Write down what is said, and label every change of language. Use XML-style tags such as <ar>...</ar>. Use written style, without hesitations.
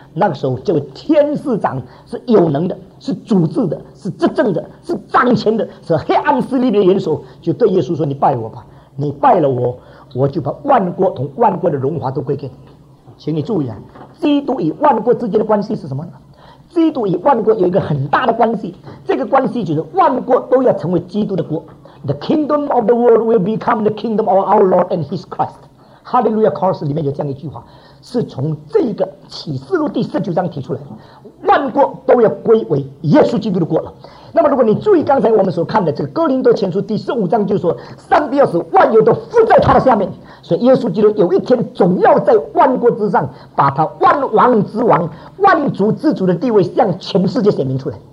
<zh>那个时候这位天使长是有能的，是主治的，是执政的，是掌权的，是黑暗势力的元首，就对耶稣说，你拜我吧，你拜了我，我就把万国同万国的荣华都归给你。请你注意啊，基督与万国之间的关系是什么呢？基督与万国有一个很大的关系，这个关系就是万国都要成为基督的国。</zh> <en>The kingdom of the world will become the kingdom of our Lord and his Christ。</en> <zh>哈利路亚 chorus 里面有这样一句话，是从这个启示录第十九章提出来的，万国都要归为耶稣基督的国了。那么如果你注意刚才我们所看的这个哥林多前书第十五章，就是说上帝要使万有都附在他的下面，所以耶稣基督有一天总要在万国之上，把他万王之王万族之主的地位向全世界显明出来。</zh>